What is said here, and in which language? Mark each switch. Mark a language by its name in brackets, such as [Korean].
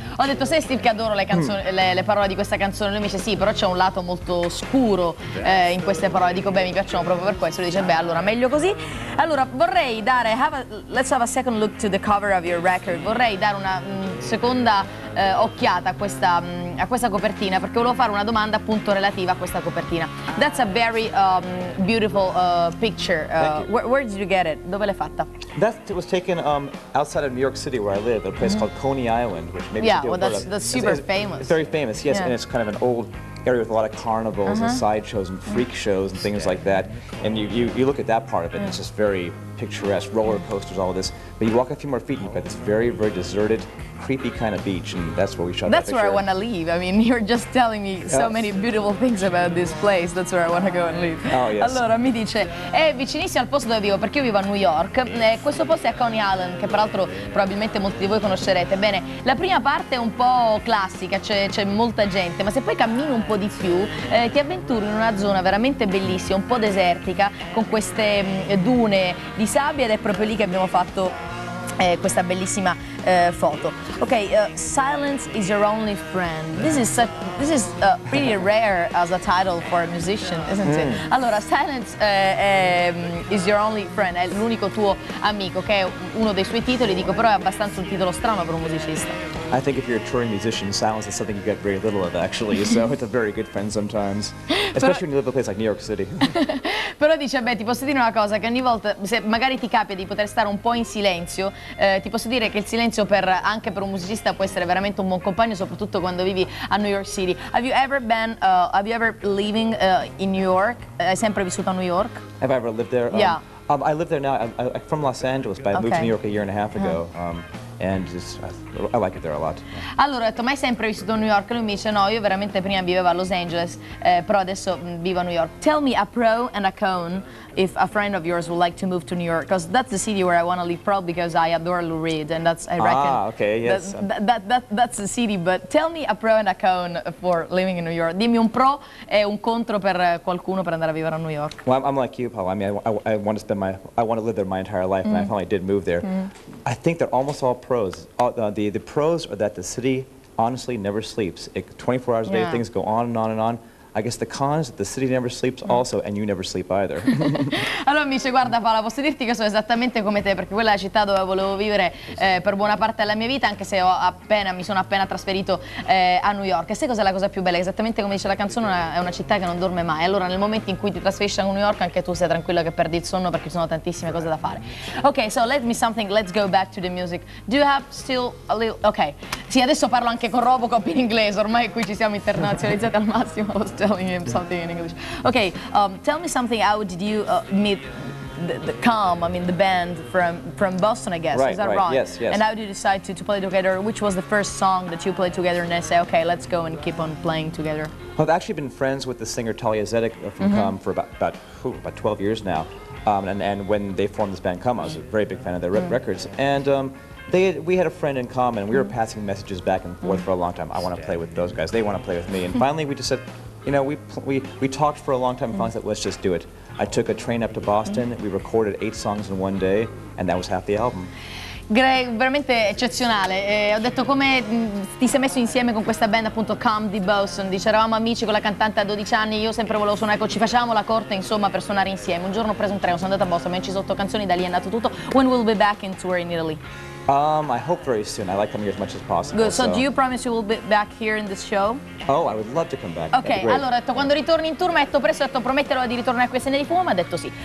[Italian] Ho detto, sei Steve, che adoro le parole di questa canzone. Lui mi dice, sì, però c'è un lato molto scuro in queste parole. Dico, beh, mi piacciono proprio per questo. Lui dice, beh, allora, meglio così. Allora, vorrei dare... [English] let's have a second look to the cover of your record. [Italian] Vorrei dare una seconda occhiata a questa copertina, perché volevo fare una domanda appunto relativa a questa copertina. [English] That's a very beautiful picture. Where did you get it? [Italian] Dove l'hai fatta? [English] It was taken outside of New York City where I live, at a place called Coney Island, which maybe that's super famous. Very famous, yes, and it's kind of an old area with a lot of carnivals and sideshows and freak shows and things like that. And you look at that part of it, and it's just very picturesque, roller coasters, all of this. But you walk a few more feet and you've got this very, very deserted, creepy kind of beach, and that's where we shot that picture. That's where I want to leave. I mean, you're just telling me so many beautiful things about this place. That's where I want to go and leave. Oh, yes. [Italian] Allora, mi dice, è vicinissimo al posto dove vivo, perché io vivo a New York. Questo posto è a Coney Island, che peraltro probabilmente molti di voi conoscerete. Bene, la prima parte è un po' classica, c'è molta gente, ma se poi cammini un po' di più, ti avventuri in una zona veramente bellissima, un po' desertica, con queste dune di sabbia, ed è proprio lì che abbiamo fatto questa bellissima foto. [English] Okay, silence is your only friend. This is pretty rare as a title for a musician, isn't it? [Italian] Allora, [English] silence is your only friend, [Italian] è l'unico tuo amico, che è uno dei suoi titoli, dico, però è abbastanza un titolo strano per un musicista. [English] I think if you're a touring musician, silence is something you get very little of, actually, so it's a very good friend sometimes, especially when you live in a place like New York City. [Italian] Però dice, beh, ti posso dire una cosa, che ogni volta, se magari ti capita di poter stare un po' in silenzio, ti posso dire che il silenzio anche per un musicista può essere veramente un buon compagno, soprattutto quando vivi a New York City. [English] Have you ever lived in New York? [Italian] Hai sempre vissuto a New York? [English] Have I ever lived there? Yeah. I live there now, I'm from Los Angeles, but I moved to New York a year and a half ago. And just, I like it there a lot. [Italian] Allora, ho detto, ma hai sempre vissuto a New York? Lui mi dice, no, io veramente prima vivevo a Los Angeles, però adesso vivo a New York. [English] Tell me a pro and a con if a friend of yours would like to move to New York, because that's the city where I want to live, probably because I adore Lou Reed, and that's, I reckon. Ah, okay, yes. That's the city, but tell me a pro and a con for living in New York. [Italian] Dimmi un pro e un contro per qualcuno per andare a vivere a New York. [English] Well, I'm like you, Paul. I mean, I want to live there my entire life, and I finally did move there. I think they're almost all pros. The pros are that the city honestly never sleeps. 24 hours a day, things go on and on and on. I guess the cons that the city never sleeps also, and you never sleep either. [Italian] Allora mi dice, guarda Paola, posso dirti che sono esattamente come te, perché quella è la città dove volevo vivere per buona parte della mia vita, anche se mi sono appena trasferito a New York. E sai cos'è la cosa più bella? Esattamente come dice la canzone, è una città che non dorme mai. Allora nel momento in cui ti trasferisci a New York, anche tu sei tranquillo che perdi il sonno, perché ci sono tantissime cose da fare. [English] Ok, so let's go back to the music. Do you have still a little... [Italian] Ok, sì, adesso parlo anche con Robocop in inglese, ormai qui ci siamo internazionalizzati al massimo. [English] Telling him something in English. Okay, tell me something. How did you meet the Calm? I mean, the band from Boston, I guess. Right, is that right? Yes, yes. And how did you decide to play together? Which was the first song that you played together, and then say, okay, let's go and keep on playing together? Well, I've actually been friends with the singer Talia Zedek from Calm for about 12 years now. And when they formed this band Calm, I was a very big fan of their records. And we had a friend in common. We were passing messages back and forth for a long time. I want to play with those guys. They want to play with me. And finally, we just said, you know, we talked for a long time and finally said, let's just do it. I took a train up to Boston, we recorded 8 songs in one day, and that was half the album. [Italian] Greg, veramente eccezionale. Ho detto, come ti sei messo insieme con questa band, appunto, Calm di Boston? Dice, eravamo amici con la cantante a 12 anni, io sempre volevo suonare, ecco, ci facevamo la corte, insomma, per suonare insieme. Un giorno ho preso un treno, sono andata a Boston, abbiamo inciso 8 canzoni, da lì è andato tutto. [English] When will we be back in tour in Italy? I hope very soon. I like coming here as much as possible. Good. So do you promise you will be back here in this show? Oh, I would love to come back. [Italian] Okay, allora, detto, quando ritorni in tour, mi ha detto presto, ho detto prometterò di ritornare qui a Segnali di Fumo, ma ha detto sì.